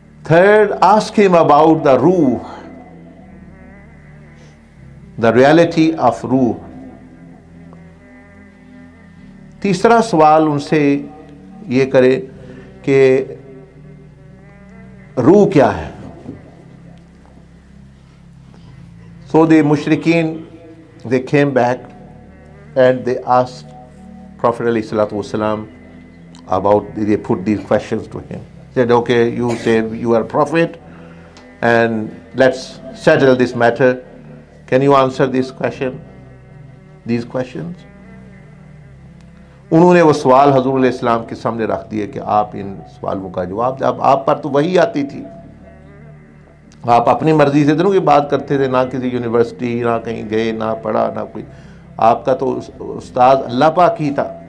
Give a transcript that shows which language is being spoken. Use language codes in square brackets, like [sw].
[en] Third, ask him about the रूह, the reality of रूह। [hi] तीसरा सवाल उनसे ये करें कि रूह क्या है। [en] So the mushrikeen, they came back and they asked Prophet alayhi salatu wasalam about, they put these questions to him. They said, okay, you say you are a prophet and let's settle this matter. Can you answer this question, these questions? [hi] उन्होंने वो सवाल हजूर अलैहि सलाम के सामने रख दिए कि आप इन सवालों का जवाब दें। आप पर तो वही आती थी, आप अपनी मर्जी से दोनों की बात करते थे, ना किसी यूनिवर्सिटी, ना कहीं गए, ना पढ़ा, ना कोई, आपका तो उस्ताद अल्लाह पाक ही था।